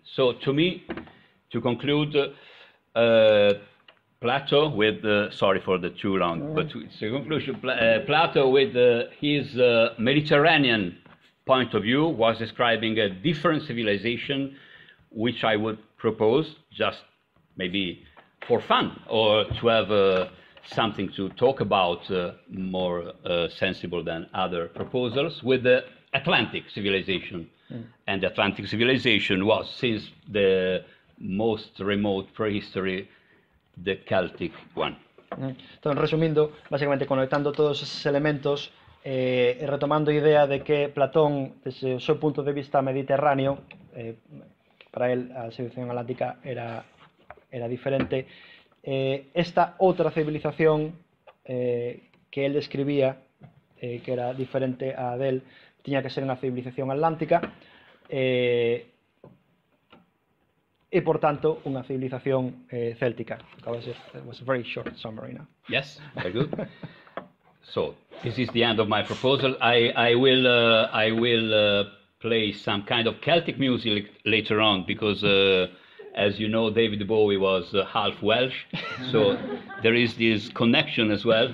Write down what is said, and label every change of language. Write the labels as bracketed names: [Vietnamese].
[English] So to me, to conclude, Plato with, sorry for the too long, but it's a conclusion, Plato with his Mediterranean point of view was describing a different civilization, which I would propose just maybe for fun or to have something to talk about more sensible than other proposals with the Atlantic civilization. And the Atlantic civilization was, since the most remote prehistory, the Celtic one. [Spanish] Entonces, resumiendo, básicamente conectando todos esos elementos, retomando idea de que Platón, desde su punto de vista mediterráneo, para él la civilización atlántica era diferente, esta otra civilización que él describía, que era diferente a él, tenía que ser una civilización atlántica, y por tanto una civilización céltica. [English] Was a very short summary now. Yes, very good. So this is the end of my proposal. I will play some kind of Celtic music later on, because as you know, David Bowie was half Welsh, so there is this connection as well.